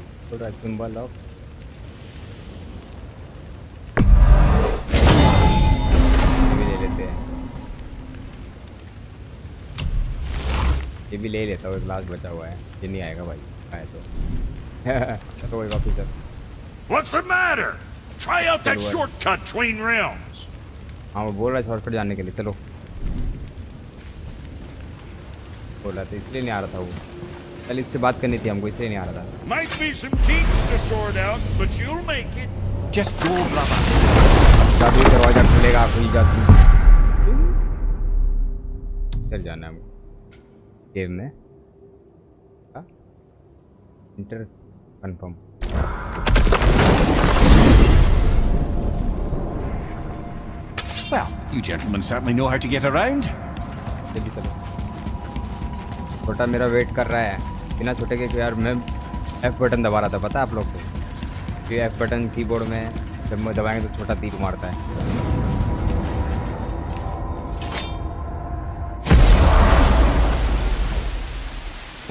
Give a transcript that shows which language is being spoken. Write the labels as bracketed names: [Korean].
[Hindi] थोड़ा symbol of भी ले लेते हैं, ये भी ले लेता हूँ, एक लास्ट बचा हुआ है, ये नहीं आएगा भाई, आए तो चलो वही वापस चल। [English] What's the matter? Try out that shortcut between realms. [Hindi] हाँ मैं बोल रहा था शॉर्टकट जाने के लिए, चलो बोल रहा था इसलिए नहीं आ रहा था वो, चल इससे बात करनी थी हमको इसलिए नहीं आ रहा था। [English] Might be some kinks to sort out, but you'll make it. Just go, brother. [Hindi] जब भी दरवाजा खुलेगा आप ही जाते हैं। चल जाना है गेम में inter confirm. [English] Well, you gentlemen certainly know how to get around. [Hindi] छोटा मेरा वेट कर रहा है, बिना छोटे के यार मैं एफ बटन दबा रहा था, पता है आप लोग को कि एफ बटन कीबोर्ड में जब मैं दबाएंगे तो छोटा तीर मारता है।